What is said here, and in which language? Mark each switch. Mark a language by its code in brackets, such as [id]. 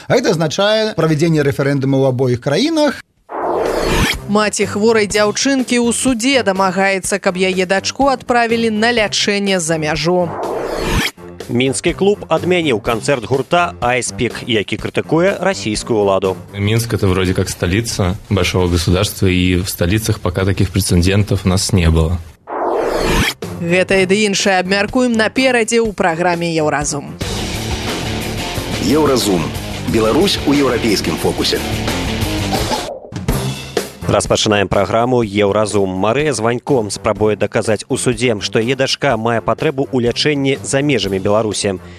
[be] Гэта азначае правядзенне рэферэндуму ў абоіх краінах. Маці хворай дзяўчынкі ў судзе дамагаецца, каб яе дачку адправілі на лячэнне за мяжу. Мінскі клуб адмяніў канцэрт гурта «Айспік», які крытыкуе расійскую ўладу. [ru] Мінск – это вроде как столица большого государства, [be] і в сталіцах [ru] пока таких прецэдэнтаў у нас не было. [be] Гэта і да іншае абмяркуем наперадзе ў праграме «Еўразум». «Еўразум» – Беларусь у еўрапейскім фокусе. Распачынаем праграму «Еўразум». Марыя Званько спрабуе даказаць у судзе, што яе дачка мае патрэбу ў лячэнні за межамі Беларусі.